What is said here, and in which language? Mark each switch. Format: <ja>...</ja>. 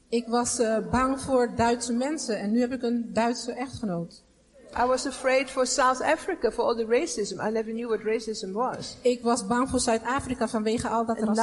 <nl>Ik was bang voor Duitse mensen en nu heb ik een Duitse echtgenoot.</nl> <en>I was afraid for South Africa for all the racism. I never knew what racism was.</en> <nl>Ik was bang voor Zuid-Afrika vanwege al dat racisme.</nl>